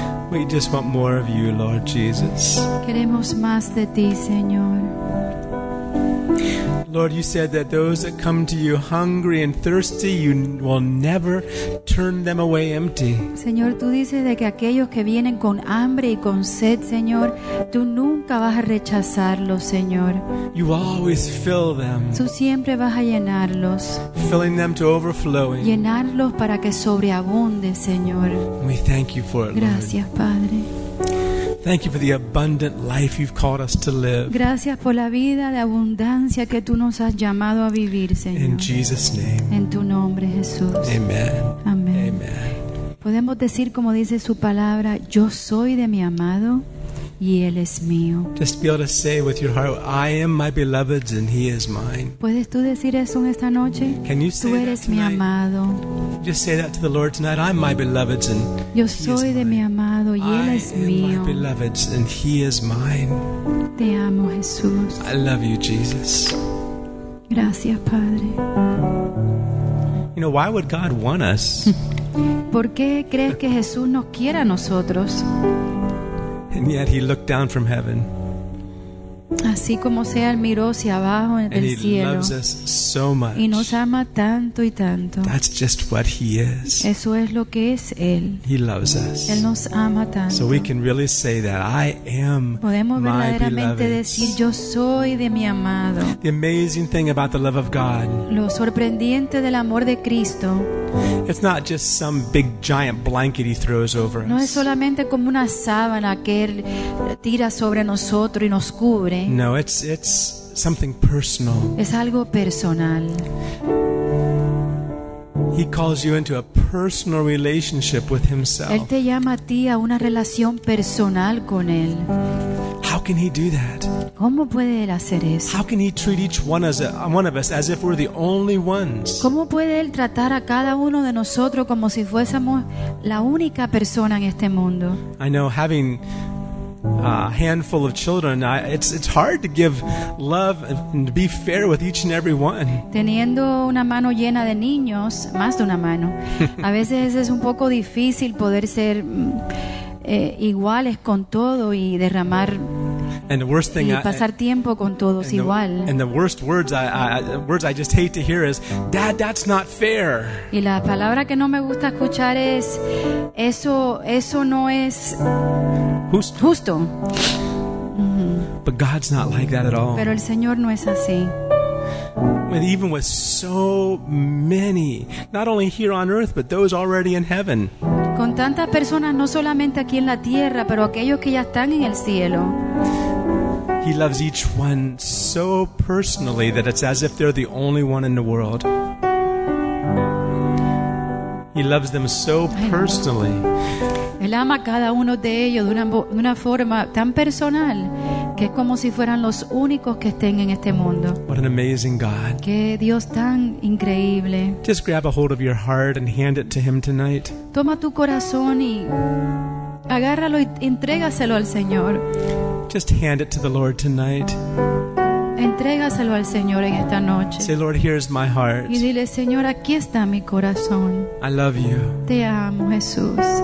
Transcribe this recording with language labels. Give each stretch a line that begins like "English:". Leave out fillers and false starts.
English: We just want more of you, Lord Jesus.
Spanish: Queremos más de ti, Señor.
English: Lord, you said that those that come to you hungry and thirsty, you will never turn them away empty.
Spanish: Señor, tú dices de que aquellos que vienen con hambre y con sed, Señor, tú nunca vas a rechazarlos, Señor.
English: You always fill them.
Spanish: Tú siempre vas a llenarlos.
English: Filling them to overflowing.
Spanish: Llenarlos para que sobreabunde, Señor.
English: We thank you for it,
Spanish: Gracias,
English: Lord.
Spanish: Padre.
English: Thank you for the abundant life you've called us to live.
Spanish: Gracias por la vida de abundancia que tú nos has llamado a vivir, Señor.
English: In Jesus' name.
Spanish: En tu nombre, Jesús.
English: Amen. Amen. Amen.
Spanish: Podemos decir como dice su palabra, yo soy de mi amado y él es mío.
English: Just be able to say with your heart, I am my beloved's and he is mine.
Spanish: ¿Puedes tú decir eso en esta noche?
English: Can you say
Spanish: tú eres mi amado.
English: Just say that to the Lord tonight. I'm my beloved's and
Spanish: yo soy de mi amado y él es mío.
English: I am my beloved's and he is mine.
Spanish: Te amo, Jesús.
English: I love you, Jesus.
Spanish: Gracias, Padre.
English: You know, why would God want us?
Spanish: ¿Por qué crees que Jesús nos quiere a nosotros?
English: And yet he looked down from heaven.
Spanish: Así como sea, miró hacia abajo en el cielo.
English: And he loves us so much.
Spanish: Y nos ama tanto y tanto.
English: That's just what he is.
Spanish: Eso es lo que es él.
English: He loves us.
Spanish: Él nos ama tanto.
English: So we can really say that I am my beloved.
Spanish: Podemos verdaderamente decir yo soy de mi amado.
English: The amazing thing about the love of God.
Spanish: Lo sorprendente del amor de Cristo.
English: It's not just some big giant blanket he throws over us.
Spanish: No es solamente como una sábana que él tira sobre nosotros y nos cubre.
English: No, it's something personal.
Spanish: Es algo personal.
English: He calls you into a personal relationship with himself.
Spanish: Él te llama a ti a una relación personal con él.
English: How can he do that?
Spanish: ¿Cómo puede él hacer eso?
English: How can he treat each one as one of us as if we're the only ones?
Spanish: ¿Cómo puede él tratar a cada uno de nosotros como si fuésemos la única persona en este mundo?
English: I know having a handful of children, it's hard to give love and be fair with each and every one.
Spanish: Teniendo una mano llena de niños, más de una mano, a veces es un poco difícil poder ser iguales con todo y derramar
English: And the worst thing,
Spanish: y pasar tiempo con todos
English: and the,
Spanish: igual.
English: And the worst words I just hate to hear is, "Dad, that's not fair."
Spanish: Y la palabra que no me gusta escuchar es, eso no es justo.
English: But God's not like that at all.
Spanish: Pero el Señor no es así.
English: With even with so many, not only here on earth, but those already in heaven.
Spanish: Con tantas personas, no solamente aquí en la tierra, pero aquellos que ya están en el cielo.
English: He loves each one so personally that it's as if they're the only one in the world. He loves them so personally.
Spanish: Él ama a cada uno de ellos de una forma tan personal que es como si fueran los únicos que estén en este mundo.
English: What an amazing God.
Spanish: Qué Dios tan increíble.
English: Just grab a hold of your heart and hand it to him tonight.
Spanish: Toma tu corazón y agárralo y entrégaselo al Señor.
English: Just hand it to the Lord tonight.
Spanish: Entrégaselo al Señor en esta noche.
English: Say, Lord, here's my heart.
Spanish: Y dile, Señor, aquí está mi corazón.
English: I love you.
Spanish: Te amo, Jesús.